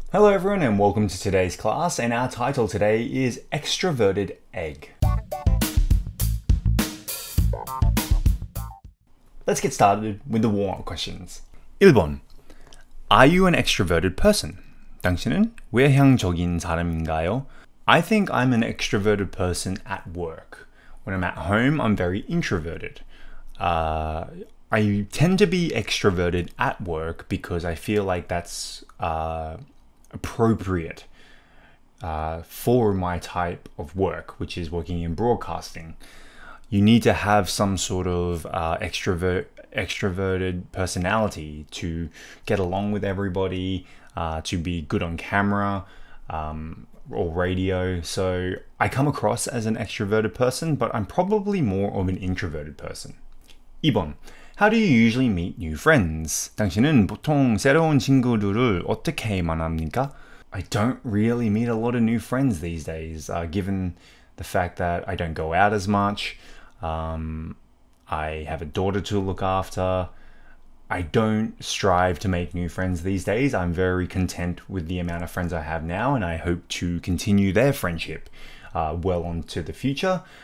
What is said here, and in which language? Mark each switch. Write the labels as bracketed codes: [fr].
[en] Hello everyone and welcome to today's class, and our title today is Extroverted Egg. Let's get started with the warm-up questions. 1번. Are you an extroverted person? [ko] 당신은 외향적인 사람인가요? [en] I think I'm an extroverted person at work. When I'm at home, I'm very introverted. I tend to be extroverted at work because I feel like that's appropriate for my type of work, which is working in broadcasting. You need to have some sort of extroverted personality to get along with everybody, to be good on camera or radio. So I come across as an extroverted person, but I'm probably more of an introverted person. 2번. How do you usually meet new friends? [ko] 당신은 보통 새로운 친구들을 어떻게 만납니까? [en] I don't really meet a lot of new friends these days, given the fact that I don't go out as much. I have a daughter to look after. I don't strive to make new friends these days. I'm very content with the amount of friends I have now, and I hope to continue their friendship well onto the future.